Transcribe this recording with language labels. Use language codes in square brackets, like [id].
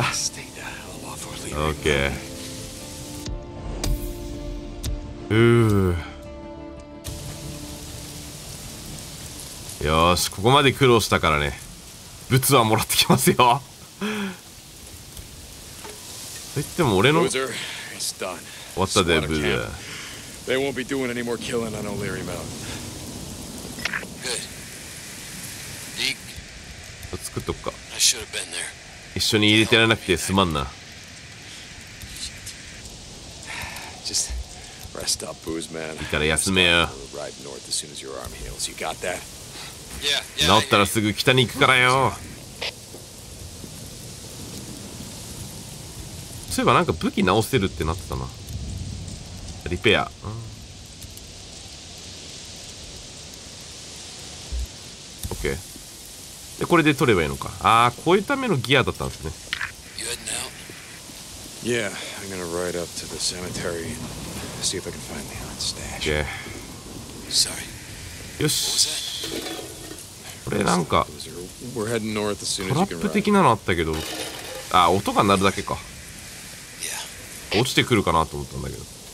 [ja] オッケー、うー、よーし、ここまで苦労したからね、物はもらってきますよ。といっても俺の終わったで、ブルー。 [en] They won't be doing any more killing on O'Leary Mountain. [ja] 作っとくか。一緒に入れてやらなくてすまんな。いいから休めよ。治ったらすぐ北に行くからよ。そういえばなんか武器直せるってなってたな。リペア。オッケー。で、これで取ればいいのか。ああ、こういうためのギアだったんですね。 [en] You heading out? Yeah, I'm gonna ride up to the cemetery and see if I can find the hot stash. Yeah. Sorry. よし。 [ja] これなんか、トラップ的なのあったけど、ああ、音が鳴るだけか。落ちてくるかなと思ったんだけど。